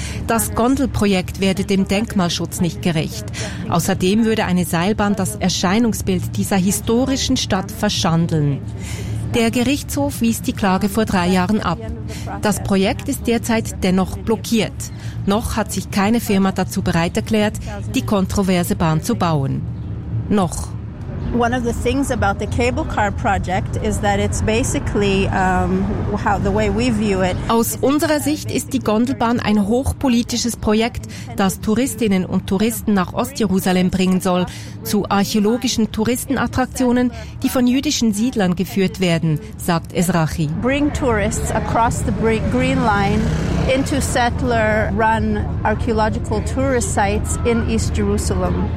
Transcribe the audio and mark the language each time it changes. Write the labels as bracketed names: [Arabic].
[German] Das Gondelprojekt werde dem Denkmalschutz nicht gerecht. Außerdem würde eine Seilbahn das Erscheinungsbild dieser historischen Stadt verschandeln. Der Gerichtshof wies die Klage vor 3 Jahren ab. Das Projekt ist derzeit dennoch blockiert. Noch hat sich keine Firma dazu bereit erklärt, die kontroverse Bahn zu bauen. Noch. [English] One of the things about the cable car project is that it's basically how the way we view it. [German] Aus unserer Sicht ist die Gondelbahn ein hochpolitisches Projekt, das Touristinnen und Touristen nach Ostjerusalem bringen soll, zu archäologischen Touristenattraktionen, die von jüdischen Siedlern geführt werden, sagt Ezrachi. [English] Bring tourists across the Green Line into settler-run archaeological tourist sites in East Jerusalem.